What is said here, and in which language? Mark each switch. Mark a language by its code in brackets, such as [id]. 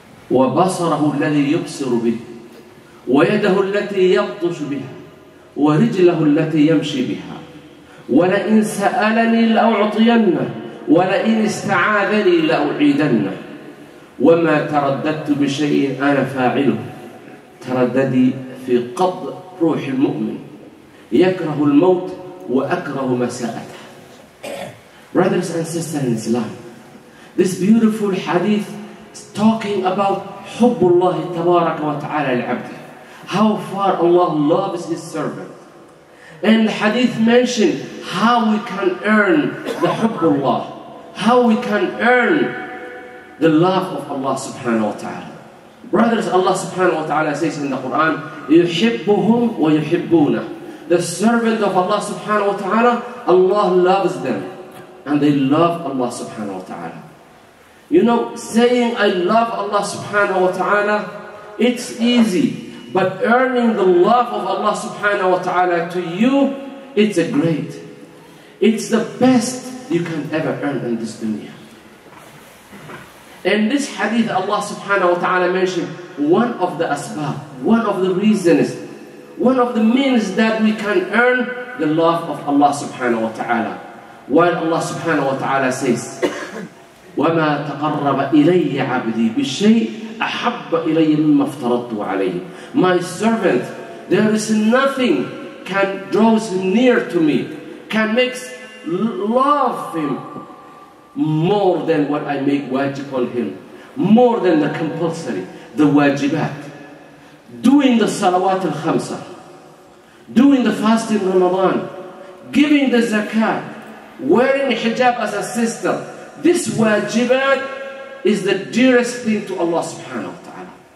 [ar] وبصره الذي يبصر به ويده التي يبطش بها ورجله التي يمشي بها، ولئن سألني لأعطينه ولئن استعاذني لأعيدنه، وما ترددت بشيء أنا فاعله. ترددي في قبض روح المؤمن يكره الموت وأكره مساءته. [en] Brothers and sisters in Islam, this beautiful hadith is talking about [ar] حب الله تبارك وتعالى العبد. [en] How far Allah loves His servant. And the hadith mentioned how we can earn the hubbullah, how we can earn the love of Allah subhanahu wa ta'ala. Brothers, Allah subhanahu wa ta'ala says in the Quran, [ar] يُحِبُّهُمْ وَيُحِبُّونَ. [en] The servant of Allah subhanahu wa ta'ala, Allah loves them. And they love Allah subhanahu wa ta'ala. You know, saying I love Allah subhanahu wa ta'ala, it's easy. But earning the love of Allah subhanahu wa ta'ala to you, it's a great. It's the best you can ever earn in this dunya. In this hadith, Allah subhanahu wa ta'ala mentioned one of the asbab, one of the reasons, one of the means that we can earn the love of Allah subhanahu wa ta'ala. While Allah subhanahu wa ta'ala says, [ar] وَمَا تَقَرَّبَ إِلَيَّ عَبْدِي بِالشَّيْءِ أحب إلي مما افترضت عليه. [en] My servant, there is nothing can draw near to me, can make love him more than what I make wajib on him, more than the compulsory, the wajibat. Doing the salawat al-khamsa, doing the fast in Ramadan, giving the zakat, wearing hijab as a sister, this wajibat is the dearest thing to Allah subhanahu wa ta'ala.